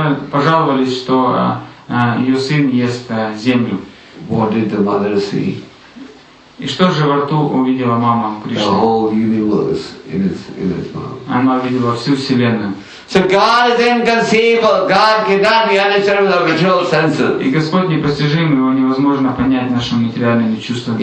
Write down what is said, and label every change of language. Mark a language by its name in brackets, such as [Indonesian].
[Russian] Пожаловались, что ее сын ест землю. [English] What did the mother see? [Russian] И что же во рту увидела мама [English] Кришна? The whole universe in his mouth. [Russian] Она увидела всю вселенную. [English] So God is inconceivable. God cannot be understood with our material senses. [Russian] И Господь непостижим, его невозможно понять нашим материальными чувствами.